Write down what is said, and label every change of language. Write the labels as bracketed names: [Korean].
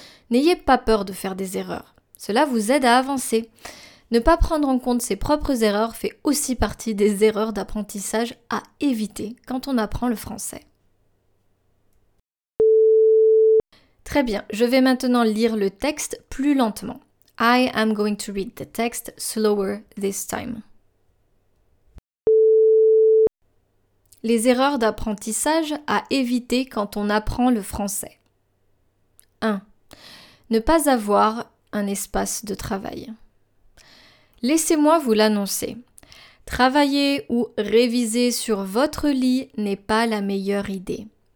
[French] N'ayez pas peur de faire des erreurs. Cela vous aide à avancer. Ne pas prendre en compte ses propres erreurs fait aussi partie des erreurs d'apprentissage à éviter quand on apprend le français. Très bien, je vais maintenant lire le texte plus lentement. [English] I am going to read the text slower this time. [French] Les erreurs d'apprentissage à éviter quand on apprend le français. 1. Ne pas avoir un espace de travail. Laissez-moi vous l'annoncer. Travailler ou réviser sur votre lit n'est pas la meilleure idée.